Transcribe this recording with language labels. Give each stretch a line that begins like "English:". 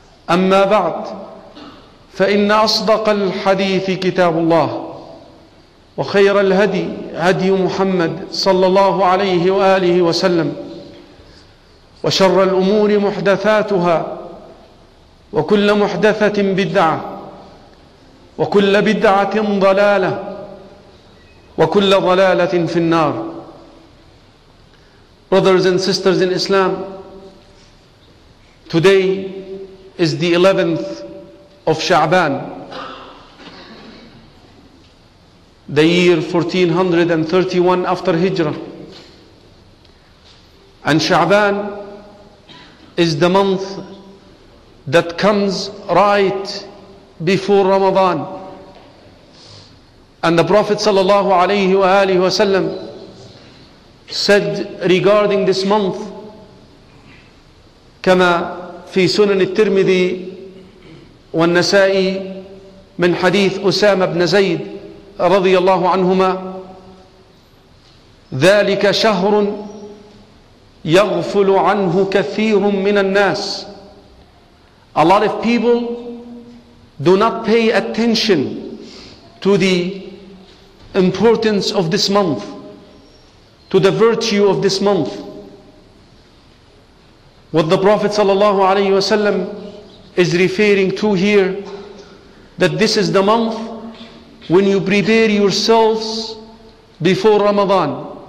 Arabic: أما بعد فإن أصدق الحديث كتاب الله وخير الهدي هدي محمد صلى الله عليه وآله وسلم وشر الأمور محدثاتها وكل محدثة بدعة وكل بدعة ضلالة وكل ضلالة في النار.
English: Brothers and sisters in Islam, today is the 11th of Sha'ban, the year 1431 after Hijrah. And Sha'ban is the month that comes right before Ramadan. And the Prophet sallallahu alayhi wa alihi wa sallam said regarding this month,
Arabic: كما في سنن الترمذي والنسائي من حديث أسامة بن زيد رضي الله عنهما ذلك شهر يغفل عنه كثير من الناس.
English: A lot of people do not pay attention to the importance of this month, to the virtue of this month. What the Prophet sallallahu alayhi wasallam is referring to here, that this is the month when you prepare yourselves before Ramadan.